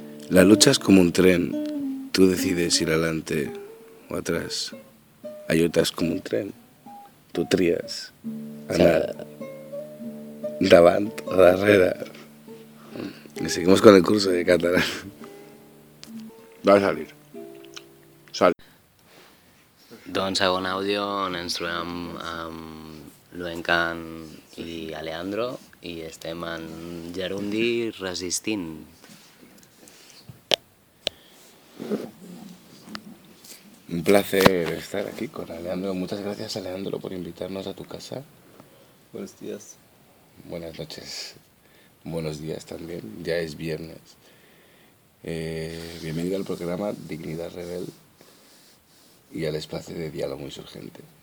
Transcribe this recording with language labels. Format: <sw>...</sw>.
<es>La lucha es como un tren, tú decides ir adelante o atrás. Hay otras como un tren, tú trías.</es> <ca>Davant o darrera.</ca> <es>Y seguimos con el curso de catalán. Va a salir. Sale.</es> <ca>Doncs segon àudio on ens trobem amb Luencan i Alejandro i estem en Gerundi resistint.</ca> <es>Un placer estar aquí con Alejandro. Muchas gracias, Alejandro, por invitarnos a tu casa. Buenos días. Buenas noches. Buenos días también. Ya es viernes. Bienvenido al programa Dignidad Rebel y al espacio de diálogo insurgente.</es>